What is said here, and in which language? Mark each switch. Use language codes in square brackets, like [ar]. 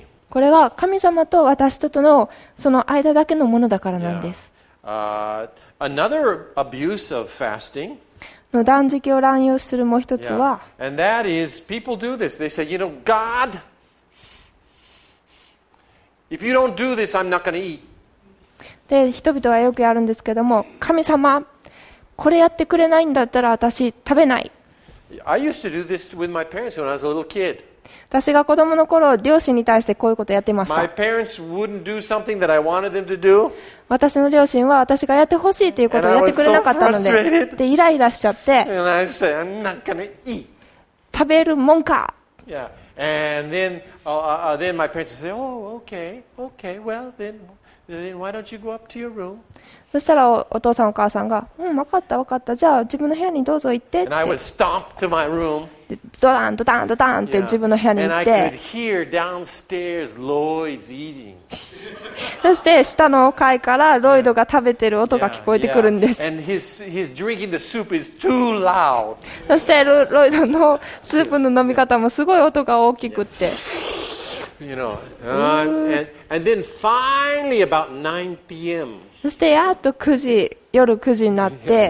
[ja] これは神様と私とのその間だけのものだからなんです。 [en] Another abuse of fasting. [ja] の断食を乱用するもう一つは、 [en] yeah. And that is, people do this. They say, you know, God, if you don't do this, I'm not going to eat. [ja] で、人々はよくやるんですけども、神様、これやってくれないんだったら私食べない。 [en] I used to do this with my parents when I was a little kid. [ja] 私が子供の頃、両親に対してこういうことをやってました。 [en] My parents wouldn't do something that I wanted them to do. [ja] 私の両親は私がやってほしいということをやってくれなかったので、でイライラしちゃって、 [en] And I said, I'm not gonna eat. [ja] 食べるもんか。 [en] Yeah. And then, then my parents would say, oh, okay, okay, well, then why don't you go up to your room? [ja] そしたらお父さんお母さんが、うん、分かった分かった、じゃあ自分の部屋にどうぞ行ってって。 [en] And I would stomp to my room. [ja] ドダンドダンドダンって自分の部屋に行って。 [en] And I could hear downstairs Lloyd's eating. [ja] そして下の階からロイドが食べてる音が聞こえてくるんです。 [en] And his drinking the soup is too loud. [ja] そしてロイドのスープの飲み方もすごい音が大きくって。 [en] You know, and then finally about 9 p.m. [ja] そしてやっと9時、夜9時になって、